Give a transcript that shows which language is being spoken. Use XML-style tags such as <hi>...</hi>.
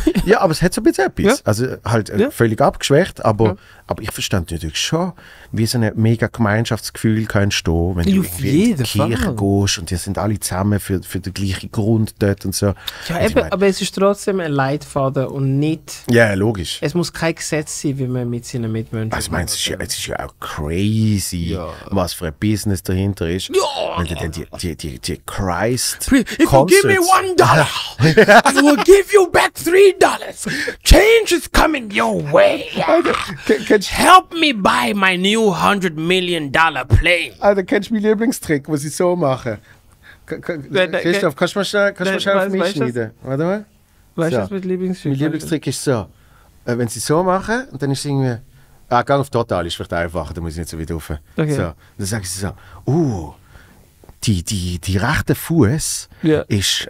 <de>Ja, aber es hat so ein bisschen etwas. Ja. Also halt völlig abgeschwächt. Aber ich verstand natürlich schon, wie so ein mega Gemeinschaftsgefühl kannst du, wenn du in die Kirche gehst und die sind alle zusammen für den gleichen Grund dort und so. Ja, und aber es ist trotzdem ein Leitfaden und nicht. Ja, logisch. Es muss kein Gesetz sein, wie man mit seinen Mitmenschen. Also, es ist ja auch crazy, was für ein Business dahinter ist. Ja. Wenn du dann die Christ.</de> <en>If you give me $1, I will give you back $3. Change is coming your way. Help me buy my new $100 million plane.</en> <de>Alter, kennst du meinen Lieblingstrick, was ich so mache? Christoph, kannst du mal schnell auf mich schneiden? Warte mal. Weißt du, was mit Lieblingstrick? Mein Lieblingstrick ist so. Wenn sie so machen, und dann ist es irgendwie. Gang auf Total ist vielleicht einfacher, da muss ich nicht so weit rauf. Okay. So. Und dann sagen sie so: die rechte Fuß ist.</de>